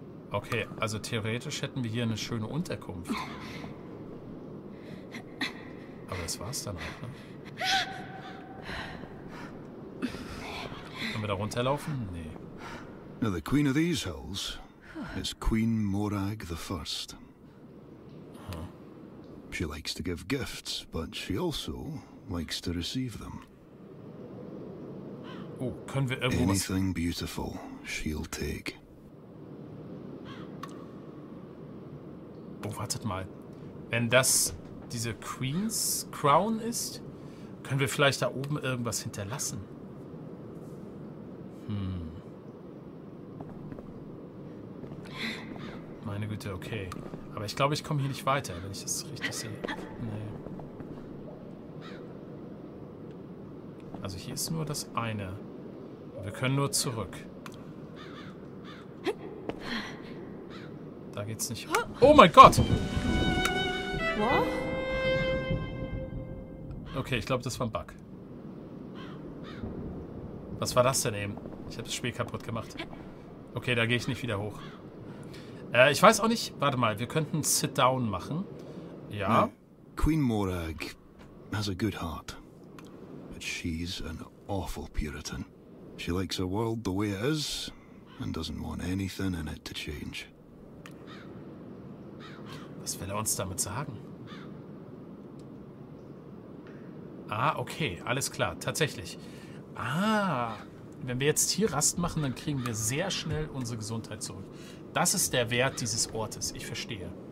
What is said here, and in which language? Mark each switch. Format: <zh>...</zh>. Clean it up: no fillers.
<de>Okay, also theoretisch hätten wir hier eine schöne Unterkunft. Aber das war's dann auch, ne? Können wir da runterlaufen? Nee.</de> <en>Now the queen of these hills is Queen Morag the First. She likes to give gifts, but she also likes to receive them.</en> <de>Oh, können wir irgendwas...</de> <en>Anything beautiful, she'll take.</en> <de>Oh, wartet mal. Wenn das diese Queen's Crown ist, können wir vielleicht da oben irgendwas hinterlassen? Hm. Meine Güte, okay. Aber ich glaube, ich komme hier nicht weiter, wenn ich das richtig sehe. Nee. Also hier ist nur das eine. Wir können nur zurück. Da geht's nicht. Oh mein Gott! Okay, ich glaube, das war ein Bug. Was war das denn eben? Ich habe das Spiel kaputt gemacht. Okay, da gehe ich nicht wieder hoch. Ich weiß auch nicht. Warte mal, wir könnten Sit Down machen. Ja.</de> <en>No, Queen Morag has a good heart, but she's an awful Puritan. She likes her world the way it is and doesn't want anything in it to change.</en> <de>Was will er uns damit sagen? Ah, okay, alles klar, tatsächlich. Ah, wenn wir jetzt hier Rast machen, dann kriegen wir sehr schnell unsere Gesundheit zurück. Das ist der Wert dieses Ortes, ich verstehe.</de>